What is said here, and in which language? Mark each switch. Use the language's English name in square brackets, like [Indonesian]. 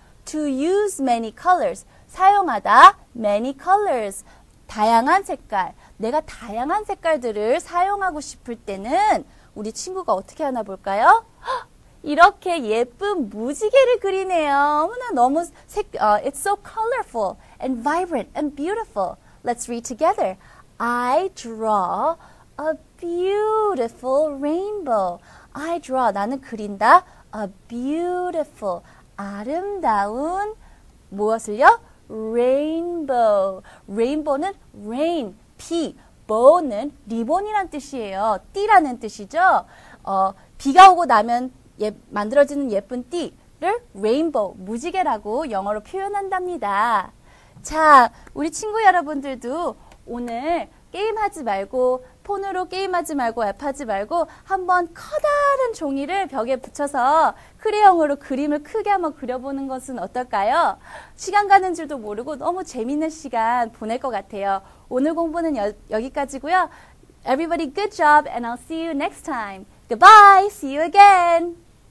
[English] To use many colors. [Korean] 사용하다. [English] Many colors. [Korean] 다양한 색깔. 내가 다양한 색깔들을 사용하고 싶을 때는 우리 친구가 어떻게 하나 볼까요? 이렇게 예쁜 무지개를 그리네요. 너무 색, [English] it's so colorful and vibrant and beautiful. Let's read together. I draw a beautiful rainbow. I draw, [Korean] 나는 그린다. [English] A beautiful, [Korean] 아름다운 무엇을요? [English] Rainbow. Rainbow는 rain, [Korean] 비. Bow는 리본이란 뜻이에요. 띠라는 뜻이죠. 비가 오고 나면 만들어지는 예쁜 띠를 rainbow, 무지개라고 영어로 표현한답니다. 자, 우리 친구 여러분들도 오늘 게임하지 말고, 폰으로 게임하지 말고, 앱하지 말고 한번 커다란 종이를 벽에 붙여서 크레용으로 그림을 크게 한번 그려보는 것은 어떨까요? 시간 가는 줄도 모르고 너무 재밌는 시간 보낼 것 같아요. 오늘 공부는 여기까지고요. [English] Everybody good job and I'll see you next time. Goodbye. See you again.